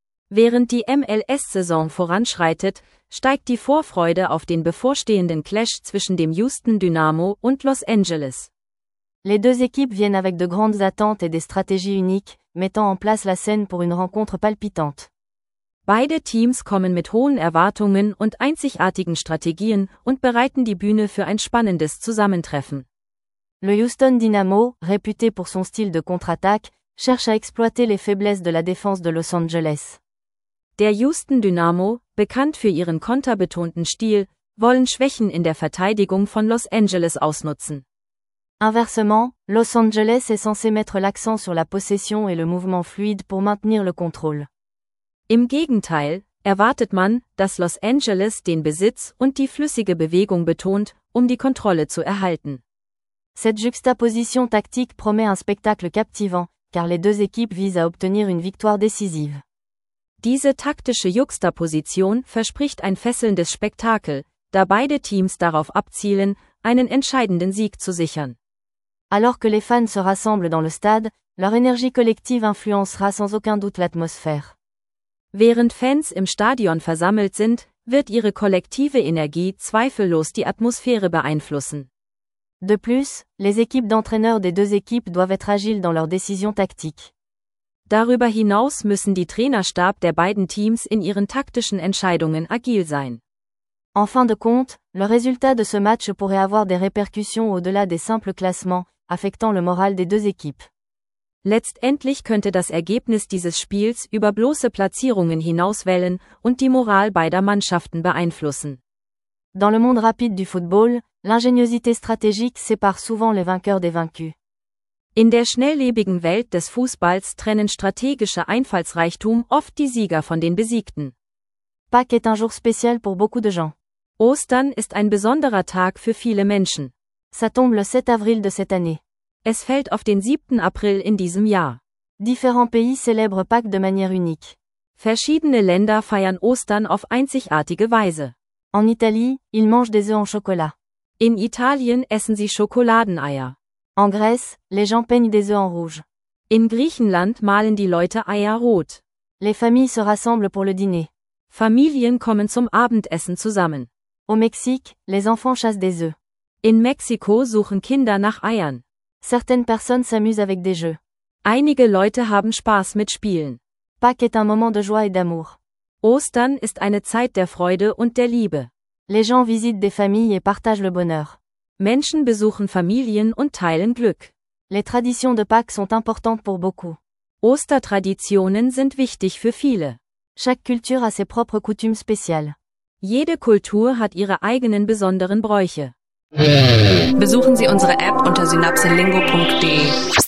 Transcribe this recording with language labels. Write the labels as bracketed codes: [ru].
[de] Während die MLS-Saison voranschreitet, steigt die Vorfreude auf den bevorstehenden Clash zwischen dem Houston Dynamo und Los Angeles. [fr] Les deux équipes viennent avec de grandes attentes et des stratégies uniques, mettant en place la scène pour une rencontre palpitante. [de] Beide Teams kommen mit hohen Erwartungen und einzigartigen Strategien und bereiten die Bühne für ein spannendes Zusammentreffen. [fr] Le Houston Dynamo, réputé pour son style de contre-attaque, cherche à exploiter les faiblesses de la défense de Los Angeles. [de] Der Houston Dynamo, bekannt für ihren konterbetonten Stil, wollen Schwächen in der Verteidigung von Los Angeles ausnutzen. [fr] Inversement, Los Angeles est censé mettre l'accent sur la possession et le mouvement fluide pour maintenir le contrôle. [de] Im Gegenteil, erwartet man, dass Los Angeles den Besitz und die flüssige Bewegung betont, um die Kontrolle zu erhalten. [fr] Cette juxtaposition tactique promet un spectacle captivant, car les deux équipes visent à obtenir une victoire décisive. [de] Diese taktische Juxtaposition verspricht ein fesselndes Spektakel, da beide Teams darauf abzielen, einen entscheidenden Sieg zu sichern. [fr] Alors que les fans se rassemblent dans le stade, leur énergie collective influencera sans aucun doute l'atmosphère. [de] Während Fans im Stadion versammelt sind, wird ihre kollektive Energie zweifellos die Atmosphäre beeinflussen. [fr] De plus, les équipes d'entraîneurs des deux équipes doivent être agiles dans leurs décisions tactiques. [de] Darüber hinaus müssen die Trainerstab der beiden Teams in ihren taktischen Entscheidungen agil sein. [fr] En fin de compte, le résultat de ce match pourrait avoir des répercussions au-delà des simples classements, affectant le moral des deux équipes. [de] Letztendlich könnte das Ergebnis dieses Spiels über bloße Platzierungen hinauswellen und die Moral beider Mannschaften beeinflussen. [fr] Dans le monde rapide du football, l'ingéniosité stratégique sépare souvent les vainqueurs des vaincus. [de] In der schnelllebigen Welt des Fußballs trennen strategische Einfallsreichtum oft die Sieger von den Besiegten. [fr] Pâques est un jour spécial pour beaucoup de gens. [de] Ostern ist ein besonderer Tag für viele Menschen. [fr] Ça tombe le 7 avril de cette année. [de] Es fällt auf den 7. April in diesem Jahr. [fr] Différents pays célèbrent Pâques de manière unique. [de] Verschiedene Länder feiern Ostern auf einzigartige Weise. [fr] En Italie, ils mangent des œufs en chocolat. [de] In Italien essen sie Schokoladeneier. [fr] En Grèce, les gens peignent des œufs en rouge. [de] In Griechenland malen die Leute Eier rot. [fr] Les familles se rassemblent pour le dîner. [de] Familien kommen zum Abendessen zusammen. [fr] Au Mexique, les enfants chassent des œufs. [de] In Mexiko suchen Kinder nach Eiern. [fr] Certaines personnes s'amusent avec des jeux. [de] Einige Leute haben Spaß mit Spielen. [fr] Pâques est un moment de joie et d'amour. [de] Ostern ist eine Zeit der Freude und der Liebe. [fr] Les gens visitent des familles et partagent le bonheur. [de] Menschen besuchen Familien und teilen Glück. [fr] Les traditions de Pâques sont importantes pour beaucoup. [de] Ostertraditionen sind wichtig für viele. [fr] Chaque culture a ses propres coutumes spéciales. [de] Jede Kultur hat ihre eigenen besonderen Bräuche. Besuchen Sie unsere App unter synapselingo.de.